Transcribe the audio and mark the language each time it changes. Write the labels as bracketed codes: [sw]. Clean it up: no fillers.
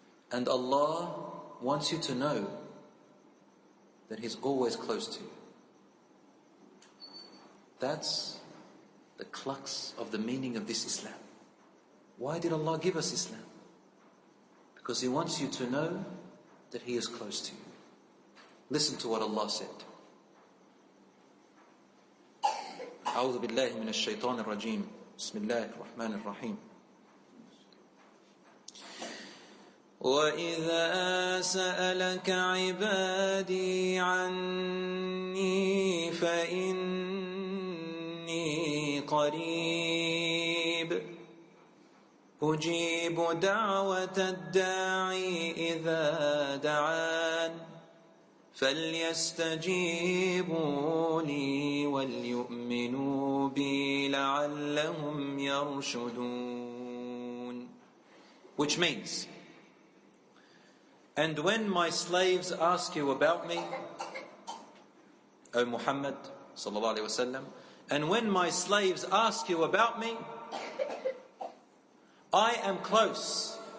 [en] And Allah wants you to know that He's always close to you. That's the crux of the meaning of this Islam. Why did Allah give us Islam? Because He wants you to know that He is close to you. Listen to what Allah said. [ar] أعوذ بالله من الشيطان الرجيم بسم الله الرحمن الرحيم وإذا سألك عبادي عني فإني قريب أجيب دعوة الداعي إذا دعان فليستجيبوا لي وليؤمنوا بي لعلهم يرشدون. [en] Which means, and when my slaves ask you about me, O Muhammad sallallahu alaihi wasallam, and when my slaves ask you about me, I am close.